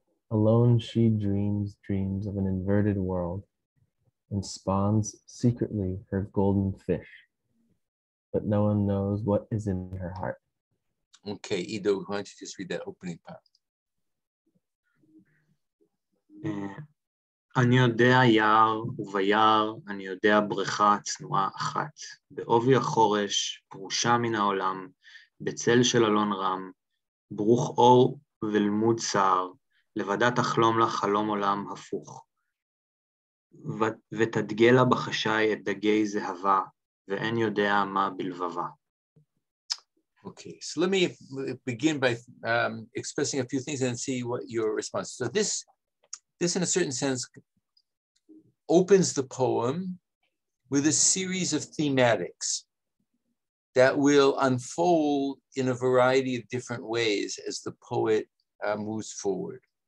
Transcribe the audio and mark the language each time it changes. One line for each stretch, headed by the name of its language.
English: Alone she dreams of an inverted world and spawns secretly her golden fish, but no one knows what is in her heart. Okay, Ido, why don't you just read that opening part?
Hebrew: אני יודע יער וביער, אני יודע בריכה צנועה אחת. בעובי החורש, פרושה מן העולם, בצל של אלון רם, ברוך אור ולמוד צער, לבדה תחלום לה חלום עולם הפוך. ותדגלה בחשאי את דגי זהבה, ואין יודע מה בלבבה.
English: Okay, so let me begin by expressing a few things and see what your response. So this in a certain sense opens the poem with a series of thematics that will unfold in a variety of different ways as the poet moves forward.